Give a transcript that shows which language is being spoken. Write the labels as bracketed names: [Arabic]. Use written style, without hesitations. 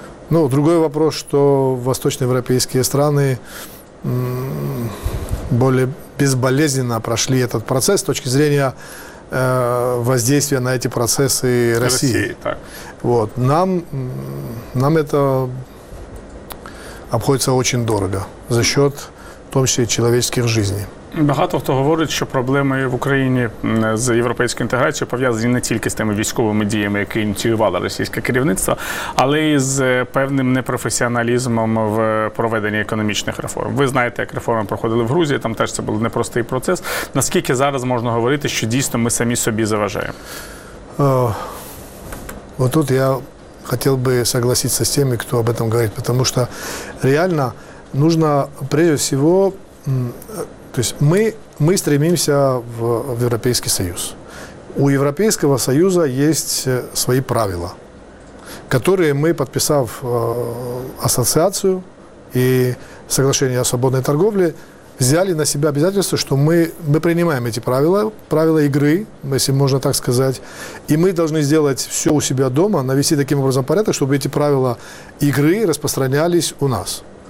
[Russian] Ну, другой вопрос, что восточноевропейские страны более безболезненно прошли этот процесс с точки зрения воздействия на эти процессы России. Так. Вот. Нам это обходиться очень дорого за счет, в том числе, человеческих жизней. [Ukrainian] Багато хто говорить, що проблеми в Україні з європейською інтеграцією пов'язані не тільки з тими військовими діями, які ініціювало російське керівництво, але й з певним непрофесіоналізмом в проведенні економічних реформ. Ви знаєте, як реформи проходили в Грузії, там теж це був непростий процес. Наскільки зараз можна говорити, що дійсно ми самі собі заважаємо? [Russian] Отут я хотел бы согласиться с теми, кто об этом говорит, потому что реально нужно, прежде всего, то есть мы стремимся в Европейский Союз. У Европейского Союза есть свои правила, которые мы, подписав ассоциацию и соглашение о свободной торговле, взяли на себя обязательство, что мы принимаем эти правила игры, если можно так сказать, и мы должны сделать все у себя дома, навести таким образом порядок, чтобы эти правила игры распространялись у нас.